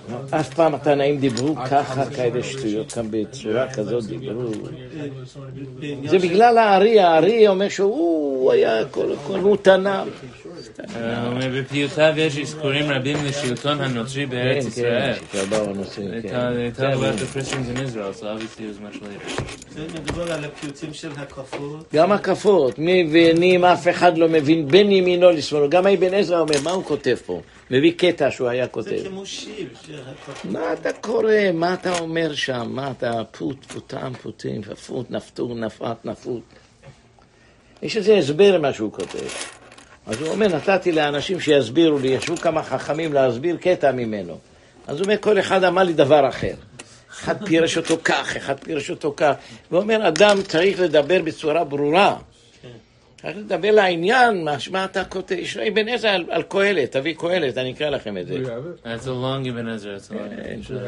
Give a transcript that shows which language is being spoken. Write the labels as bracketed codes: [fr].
[he] אף פעם התנאים דיברו ככה, כאלה שטויות, כאן בצורה כזאת דיברו. זה בגלל הארי, הארי אומר שהוא היה כל הוא תנא. בפיוטיו יש הזכורים רבים לשלטון הנוצרי בארץ ישראל. כן, כן, כן. [en] It's all about the Christians in Israel, so obviously it was much later. [he] זה מדובר על הפיוטים של הקפות. גם הקפות, מבינים, אף אחד לא מבין, בין ימינו לשמאלו. גם אבן עזרא אומר, מה הוא כותב פה? מביא קטע שהוא היה כותב. זה כמו שיר של הקפות. מה אתה קורא? מה אתה אומר שם? מה אתה פוט, פוטם, פוטים, פפוט, נפטור, נפרט, נפוט. יש איזה הסבר מה שהוא כותב. אז הוא אומר, נתתי לאנשים שיסבירו לי, ישבו כמה חכמים להסביר קטע ממנו. אז הוא אומר, כל אחד אמר לי דבר אחר. אחד פירש אותו כך, אחד פירש אותו כך. והוא אומר, אדם צריך לדבר בצורה ברורה. צריך לדבר לעניין, מה אתה כותב? יש לו אבן עזרא על קהלת, תביא קהלת, אני אקרא לכם את זה. [en] It's a long אבן עזרא, it's a long אבן עזרא.